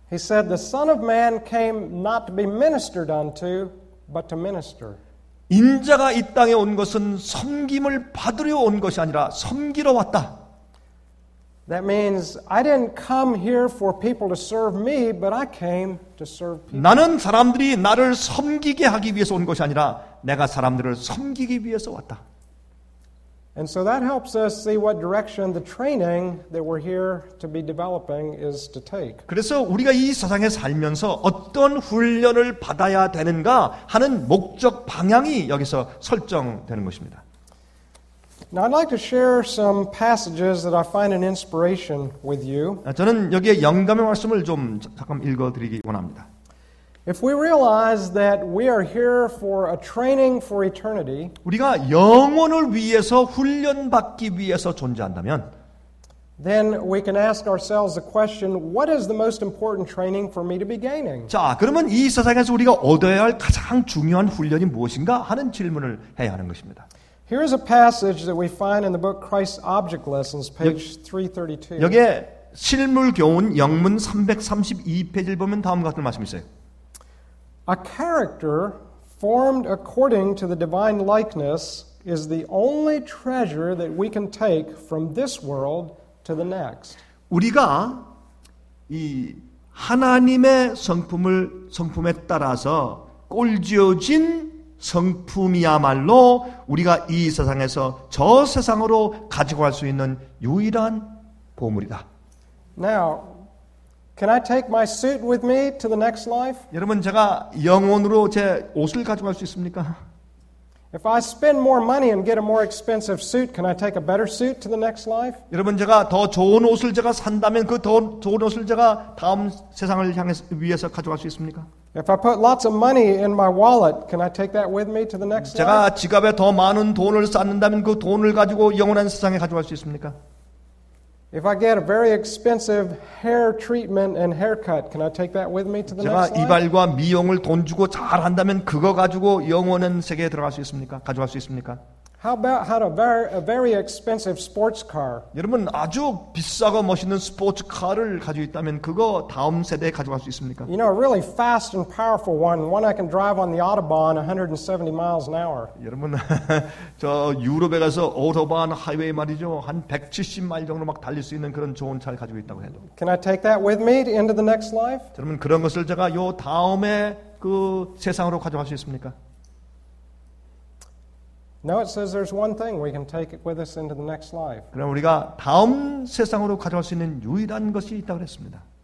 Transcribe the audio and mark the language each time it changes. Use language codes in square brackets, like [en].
[en] He said, "The Son of Man came not to be ministered unto, but to minister." [ko] 인자가 이 땅에 온 것은 섬김을 받으려 온 것이 아니라 섬기러 왔다. [en] That means I didn't come here for people to serve me, but I came to serve people. [ko] 나는 사람들이 나를 섬기게 하기 위해서 온 것이 아니라 내가 사람들을 섬기기 위해서 왔다. [en] And so that helps us see what direction the training that we're here to be developing is to take. [ko] 그래서 우리가 이 세상에 살면서 어떤 훈련을 받아야 되는가 하는 목적 방향이 여기서 설정되는 것입니다. [en] Now I'd like to share some passages that I find an inspiration with you. [ko] 저는 여기에 영감의 말씀을 좀 잠깐 읽어 드리기 원합니다. [en] If we realize that we are here for a training for eternity, [ko] 우리가 영원을 위해서 훈련받기 위해서 존재한다면, [en] then we can ask ourselves the question, what is the most important training for me to be gaining? [ko] 자, 그러면 이 세상에서 우리가 얻어야 할 가장 중요한 훈련이 무엇인가 하는 질문을 해야 하는 것입니다. [en] Here is a passage that we find in the book Christ's Object Lessons, page 332. [ko] 여기에 실물 교훈 영문 332페이지를 보면 다음과 같은 말씀이 있어요. [en] A character formed according to the divine likeness is the only treasure that we can take from this world to the next. [ko] 우리가 이 하나님의 성품에 따라서 꼴지어진 성품이야말로 우리가 이 세상에서 저 세상으로 가지고 갈 수 있는 유일한 보물이다. [en] Now, can I take my suit with me to the next life? [ko] 여러분, 제가 영혼으로 제 옷을 가져갈 수 있습니까? [en] If I spend more money and get a more expensive suit, can I take a better suit to the next life? [ko] 여러분, 제가 더 좋은 옷을 제가 산다면 그 더 좋은 옷을 제가 다음 세상을 위해서 가져갈 수 있습니까? [en] If I put lots of money in my wallet, can I take that with me to the next life? [ko] 제가 지갑에 더 많은 돈을 쌓는다면 그 돈을 가지고 영원한 세상에 가져갈 수 있습니까? [en] If I get a very expensive hair treatment and haircut, can I take that with me to the next life? [ko] 제가 이발과 미용을 돈 주고 잘 한다면 그거 가지고 영원한 세계에 들어갈 수 있습니까? 가져갈 수 있습니까? [en] How about a very expensive sports car? [ko] 여러분, 아주 비싸고 멋있는 스포츠 카를 가지고 있다면 그거 다음 세대에 가져갈 수 있습니까? [en] You know, a really fast and powerful one, one I can drive on the autobahn 170 miles an hour. [ko] 여러분, 저 유럽에 가서 오토반 하이웨이 말이죠. 한 170마일 정도 막 달릴 수 있는 그런 좋은 차를 가지고 있다고 해도. [en] Can I take that with me into the next life? [ko] 여러분, 그런 것을 제가 요 다음에 그 세상으로 가져갈 수 있습니까? [en] No, it says there's one thing we can take it with us into the next life. [ko] 그럼 우리가 다음 세상으로 가져갈 수 있는 유일한 것이 있다고 그랬습니다.